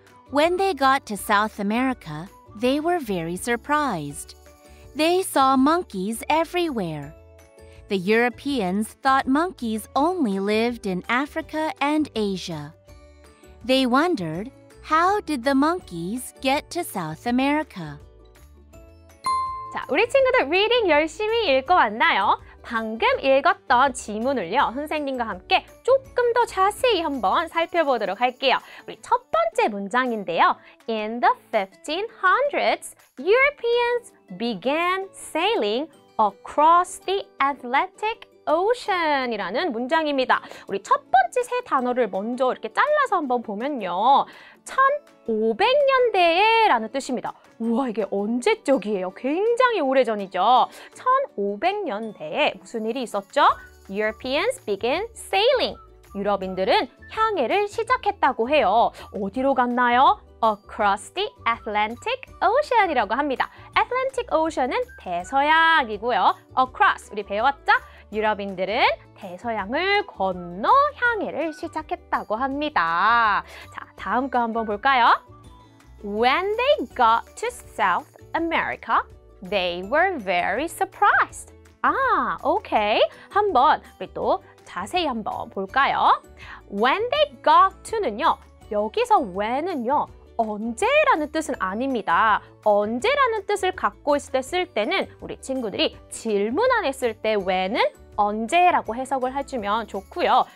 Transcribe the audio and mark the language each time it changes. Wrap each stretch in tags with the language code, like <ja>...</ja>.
<en>When they got to South America, they were very surprised. They saw monkeys everywhere. The Europeans thought monkeys only lived in Africa and Asia. They wondered, how did the monkeys get to South America?</en> <ko>자, 우리 친구들 리딩 열심히 읽어왔나요? 방금 읽었던 지문을요, 선생님과 함께 조금 더 자세히 한번 살펴보도록 할게요. 우리 첫 번째 문장인데요.</ko> <en>In the 1500s, Europeans began sailing across the Atlantic Ocean</en> <ko>이라는 문장입니다. 우리 첫 번째 세 단어를 먼저 이렇게 잘라서 한번 보면요. 1500년대에 라는 뜻입니다. 우와, 이게 언제적이에요? 굉장히 오래전이죠. 1500년대에 무슨 일이 있었죠?</ko> <en>Europeans began sailing.</en> <ko>유럽인들은 항해를 시작했다고 해요. 어디로 갔나요?</ko> <en>Across the Atlantic Ocean</en> <ko>이라고 합니다. Atlantic Ocean은 대서양이고요. Across, 우리 배웠죠? 유럽인들은 대서양을 건너 항해를 시작했다고 합니다. 자, 다음 거 한번 볼까요?</ko> <en>When they got to South America, they were very surprised. 아, okay.</en> <ko>한번 우리 또 자세히 한번 볼까요?</ko> <en>When they got to는요.</en> <ko>여기서</ko> <en>when은요.</en> <ko>언제라는 뜻은 아닙니다. 언제라는 뜻을 갖고 있을 때 쓸 때는 우리 친구들이 질문 안 했을 때 when은 언제라고 해석을 해주면 좋고요.</ko>